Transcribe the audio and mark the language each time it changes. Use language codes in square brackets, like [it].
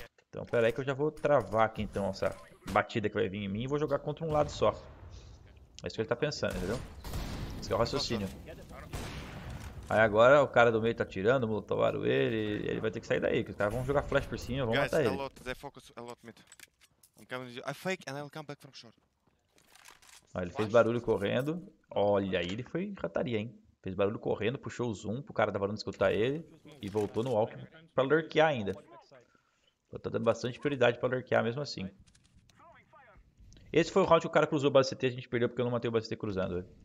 [pt] Então, pera aí que eu já vou travar aqui então essa batida que vai vir em mim e vou jogar contra um lado só. É isso que ele está pensando, entendeu? Esse é o raciocínio. Aí agora o cara do meio tá tirando, molotovaram ele, e ele vai ter que sair daí, que os caras vão jogar flash por cima, vão matar ele. [en] Guys, they focus a lot mid. I'm coming to you. I fake and I'll come back from short. [pt] Ah, ele fez barulho correndo. Olha aí, ele foi rataria, hein. Fez barulho correndo, puxou o zoom pro cara da varanda escutar ele e voltou no walk pra lurkear ainda. Tá dando bastante prioridade pra lurkear mesmo assim. Esse foi o round que o cara cruzou o base CT, a gente perdeu porque eu não matei o base CT cruzando.